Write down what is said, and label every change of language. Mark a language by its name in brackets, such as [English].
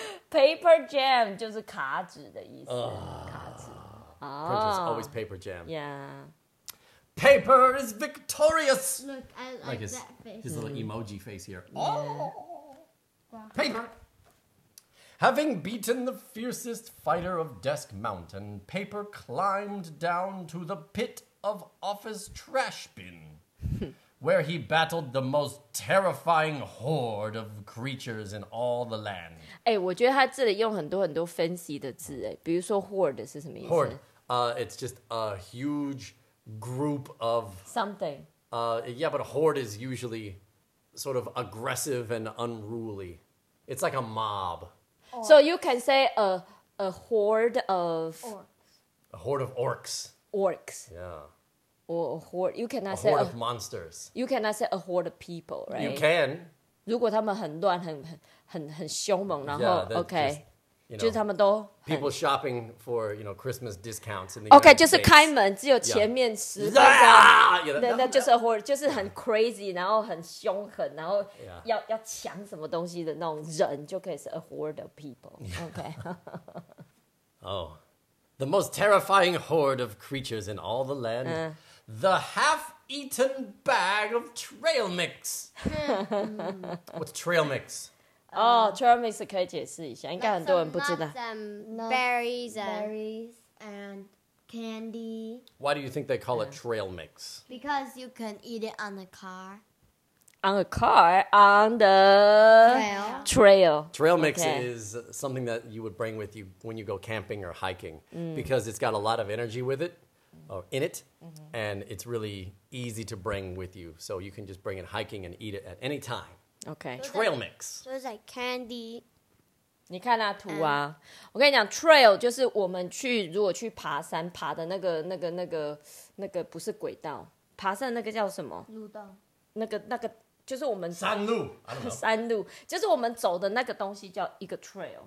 [Chinese] Paper jam 就是卡纸的意思。 [English] Printer's always paper jam. Yeah. Paper is victorious! Look, I like that face. His little emoji face here. Yeah. Oh! Paper! Having beaten the fiercest fighter of Desk Mountain, Paper climbed down to the pit of office trash bin, where he battled the most terrifying horde of creatures in all the land. [Chinese] 欸，我觉得他这里用很多 fancy 的字，欸，比如说 horde 是什么意思？ [English] Horde, it's just a huge group of... Something. Yeah, but a horde is usually sort of aggressive and unruly. It's like a mob. Orcs. So you can say a horde of... Orcs. A horde of orcs. Orcs. Yeah. Or a horde... You cannot a say horde a, of monsters. You cannot say a horde of people, right? You can. [Chinese] 如果他们很乱、很凶猛，然后 [English] yeah, okay, just, you know, [Chinese] 就是他们都很 [English] People shopping for, you know, Christmas discounts in the Okay, United [Chinese] 就是开门，只有前面十分钟。那就是 a horde, 就是很 crazy, 然后很凶狠，然后要抢什么东西的那种人，就可以是 [English] a horde of people. Okay. Oh, the most terrifying horde of creatures in all the land,the half-eaten bag of trail mix. What's trail mix? [Chinese] Oh, trail mix 可以解释一下，应该很多人不知道。 [English] Berries and candy. Why do you think they call it trail mix? Because you can eat it on the car. On a car? On the... Trail. Trail mix is something that you would bring with you when you go camping or hiking. Because it's got a lot of energy with it. Or in it,、mm-hmm. and it's really easy to bring with you. So you can just bring it hiking and eat it at any time. Okay. So trail mix. So it's like candy. [Chinese] 你看啊图啊，我跟你讲 ，trail 就是我们去如果去爬山爬的那个不是轨道，爬山那个叫什么？路道。那个就是我们山路。山路就是我们走的那个东西叫一个 trail。